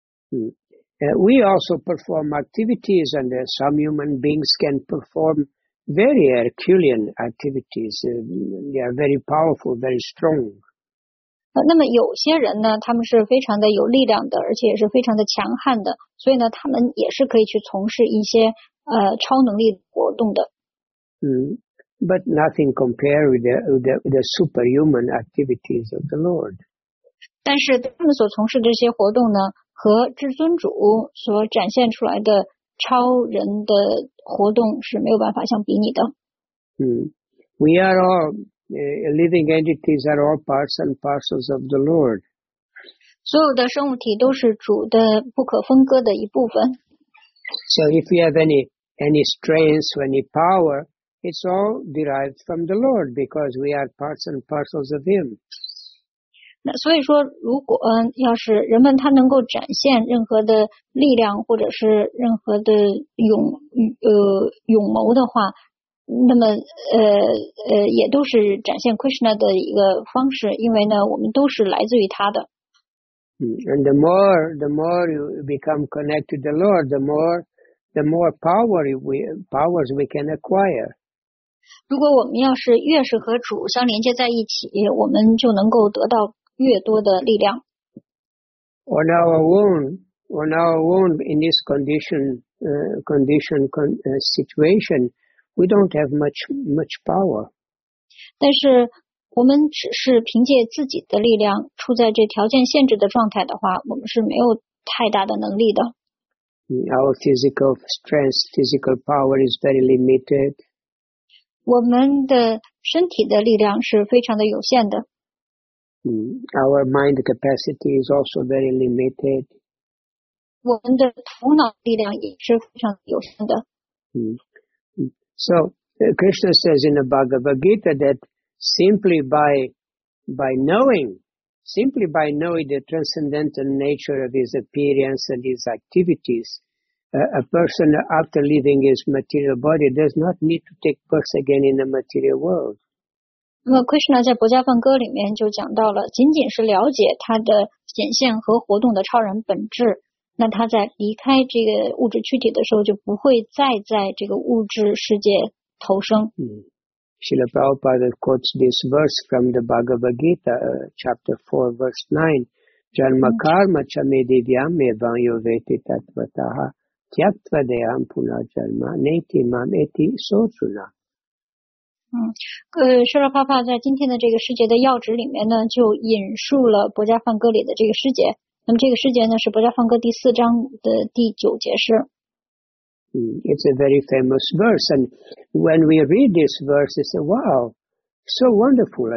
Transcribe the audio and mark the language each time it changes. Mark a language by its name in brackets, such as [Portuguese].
[English] We also perform activities, and some human beings can perform very Herculean activities. They are very powerful, very strong. [Chinese] 那么有些人呢，他们是非常的有力量的，而且也是非常的强悍的，所以呢，他们也是可以去从事一些超能力活动的。 [English] But nothing compared with the superhuman activities of the Lord. [Chinese] 但是他们所从事的这些活动呢，和至尊主所展现出来的超人的活动是没有办法相比拟的。 [English] We are all living entities, are all parts and parcels of the Lord. [Chinese] 所有的生物体都是主的不可分割的一部分。 [English] So if you have any strength, any power, it's all derived from the Lord because we are parts and parcels of Him. [Chinese] 所以说，如果要是人们他能够展现任何的力量或者是任何的勇谋的话，那么也都是展现 Krishna 的一个方式，因为呢，我们都是来自于他的。 [English] And the more you become connected to the Lord, the more powers we can acquire. [Chinese] 如果我们要是越是和主相连接在一起，我们就能够得到。越多的力量。 [English] On our own, in this situation, we don't have much power. [Chinese] 但是我们只是凭借自己的力量，处在这条件限制的状态的话，我们是没有太大的能力的。 [English] Our physical strength, physical power is very limited. [Chinese] 我们的身体的力量是非常的有限的。 [English] Our mind capacity is also very limited. [Chinese] 我们的头脑力量也是非常有限的。 [English] So Krishna says in the Bhagavad Gita that simply by knowing, simply by knowing the transcendental nature of his appearance and his activities, a person after leaving his material body does not need to take birth again in the material world. [Chinese] 那么 Krishna 在《薄伽梵歌》里面就讲到了，仅仅是了解他的显现和活动的超然本质，那他在离开这个物质躯体的时候就不会再在这个物质世界投生。 [English] Srila Prabhupada quotes this verse from the Bhagavad Gita, chapter 4, verse 9. [Sanskrit] Janma karma cha me divyam evam yoveti tatvataha tyaktva deyam puna janma neti mam eti sochuna. [Chinese] Srila Prabhupada 在今天的这个世界的要旨里面呢，就引述了薄伽梵歌里的这个世界。那么这个世界呢，是薄伽梵歌第四章的第九节是。 [English] It's a very famous verse, and when we read this verse, we say, wow, so wonderful.